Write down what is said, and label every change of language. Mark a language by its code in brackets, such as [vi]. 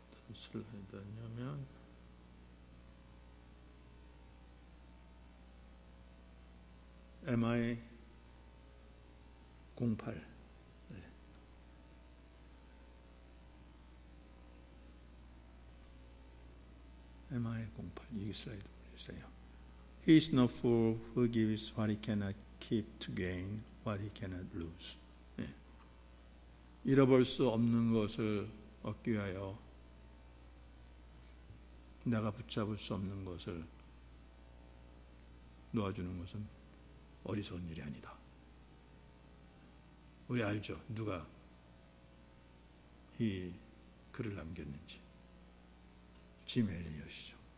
[ko] 어떤 슬라이드냐면 MI-08. MI-08 이 슬라이드 보세요. [en] He is no fool who gives what he cannot keep to gain what he cannot lose. [ko] 네. 잃어버릴 수 없는 것을 얻기 위하여 내가 붙잡을 수 없는 것을 놓아주는 것은 어리석은 일이 아니다. 우리 알죠? 누가 이 글을 남겼는지. 짐 엘리엇이죠.